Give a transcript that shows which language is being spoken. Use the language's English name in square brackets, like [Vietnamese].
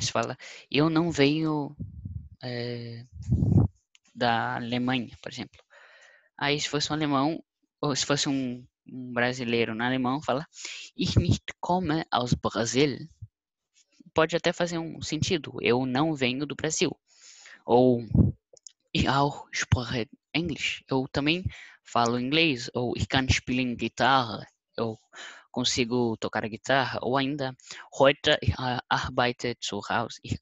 [Portuguese] Se fala, eu não venho da Alemanha, por exemplo. Aí, se fosse um alemão, ou se fosse um brasileiro no alemão fala [German] Ich nicht komme aus Brasil. [Portuguese] Pode até fazer um sentido. Eu não venho do Brasil. Ou [German] Ich auch spreche Englisch. [Portuguese] Eu também falo inglês. Ou [German] Ich kann spielen Gitarre. [Portuguese] Eu consigo tocar a guitarra. Ou ainda [German] Heute arbeite zu Hause.